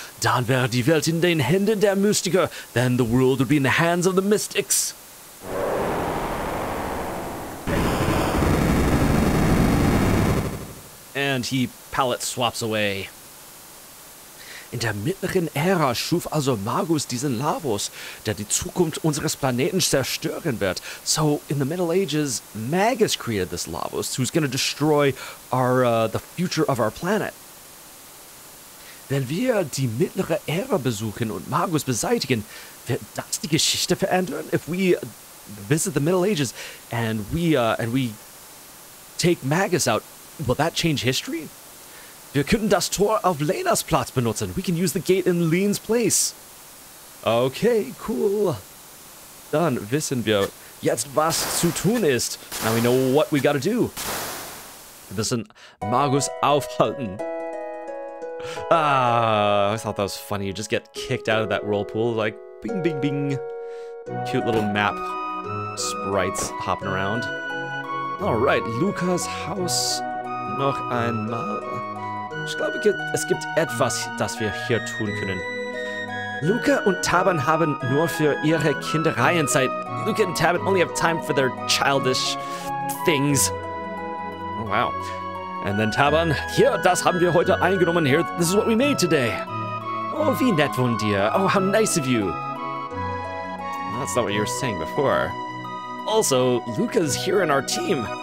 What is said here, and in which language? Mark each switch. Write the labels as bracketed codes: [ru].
[de] Dann wäre die Welt in den Händen der Mystiker. [en] Then the world would be in the hands of the mystics. And he palette swaps away. [de] In der mittleren Ära schuf also Magus diesen Lavus, der die Zukunft unseres Planeten zerstören wird. [en] So, in the Middle Ages, Magus created this Lavus, who's gonna destroy our, the future of our planet. [de] Wenn wir die mittlere Ära besuchen und Magus beseitigen, wird das die Geschichte verändern? [en] If we visit the Middle Ages and we take Magus out, will that change history? [de] Wir könnten das Tor auf Lenas Platz benutzen. [en] We can use the gate in Lene's place. Okay, cool. [de] Dann wissen wir jetzt, was zu tun ist. [en] Now we know what we gotta do. [de] Wir müssen Magus aufhalten. [en] Ah, I thought that was funny. You just get kicked out of that whirlpool, like, bing, bing, bing. Cute little map sprites hopping around. [de] Alright, Lukas Haus noch einmal. Ich glaube, es gibt etwas, das wir hier tun können. Luca und Taban haben nur für ihre Kindereienzeit. [en] Luca and Taban only have time for their childish things. Oh, wow. And then [de] Taban, hier, das haben wir heute eingenommen. [en] Here, this is what we made today. [de] Oh, wie nett von dir. [en] Oh, how nice of you. That's not what you were saying before. Also, Luca's here in our team.